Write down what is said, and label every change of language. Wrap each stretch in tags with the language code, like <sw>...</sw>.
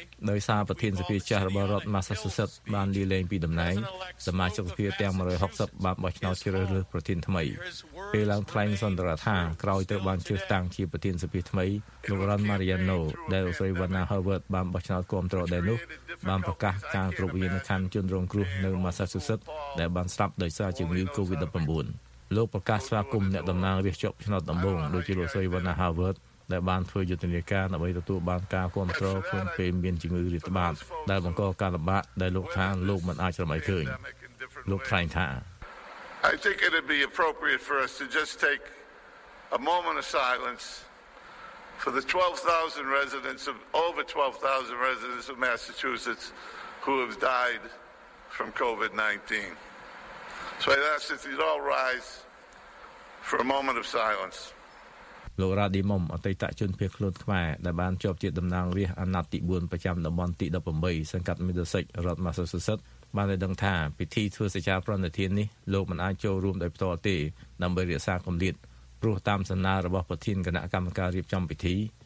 <km>ដោយសារប្រធានសភាចាស់របស់រដ្ឋ Massachusetts បានលាលែងពីតំណែងសមាជិកសភាទាំង160បានបោះឆ្នោតជ្រើសរើសប្រធានថ្មីពេលឡើងថ្លែងសន្ទរថាក្រោយទៅបានជ្រើសតាំងជាប្រធានសភាថ្មីលោករ៉ុន Mariano ដែលស្រីវណ្ណា Harvard បានបោះឆ្នោតគាំទ្រដែរនោះបានប្រកាសការគ្រប់វិធានជនរងគ្រោះនៅ Massachusetts ដែលបានស្លាប់ដោយសារជំងឺ COVID-19 លោកប្រកាសស្វាគមន៍អ្នកតំណាងរាស្ត្រជាប់ឆ្នោតដំបូងដូចជាលោកស្រីវណ្ណា Harvardដែលបានធ្វើយុទ្ធនាការដើម្បីទទួលបានការគ្រប់គ្រងក្នុងពេលមានជំងឺរាតត្បាតដែលបង្កការលំបាកដែលលោកថាលោកមិនអាចស្រមៃឃើញលោកថ្លែងថា</km> <en>I think it would be appropriate for us to just take a moment of silence for the 12,000 residents of over 12,000 residents of Massachusetts who have died from COVID-19. So I'd ask that you'd all rise for a moment of silence.</en> <km>លោករ៉ាឌីម៉ុំអតីតជនភៀសខ្លួនខ្មែរដែលបានជាប់ជាតំណាងរាស្ត្រអាណត្តិទី4ប្រចាំតំបន់ទី18សង្កាត់មីដសិចរដ្ឋ Massachusetts បានបានដឹងថាពិធីធ្វើសេចក្តីប្រណិធាននេះលោកមិនអាចចូលរួមដោយផ្ទាល់ទេដើម្បីរក្សាគម្លាតព្រោះតាមសញ្ញារបស់ប្រធានគណៈកម្មការរៀបចំពិធី</km>